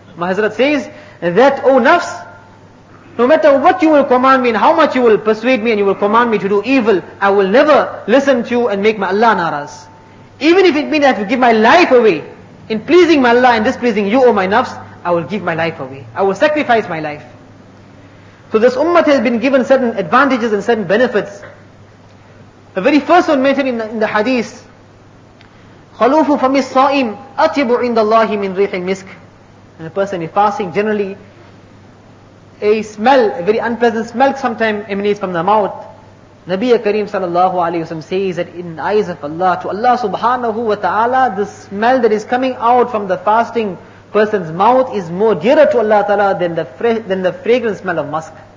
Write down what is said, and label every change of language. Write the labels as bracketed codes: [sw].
[en] Mahazrat says, that O nafs, no matter what you will command me and how much you will persuade me and you will command me to do evil, I will never listen to you and make my Allah naraz. Even if it means I have to give my life away, in pleasing my Allah and displeasing you, O my nafs, I will give my life away. I will sacrifice my life. So this ummah has been given certain advantages and certain benefits. [ar] The very first one mentioned in the hadith, خَلُوفُ فَمِ الصَّائِمِ أَطِبُ عِنْدَ اللَّهِ مِنْ رِيحِ الْمِسْكِ. [en] And a person is fasting, generally, a smell, a very unpleasant smell sometimes emanates from the mouth. Nabi Kareem sallallahu alayhi wa sallam says that in the eyes of Allah, to Allah subhanahu wa ta'ala, the smell that is coming out from the fasting person's mouth is more dearer to Allah ta'ala than the fragrant smell of musk.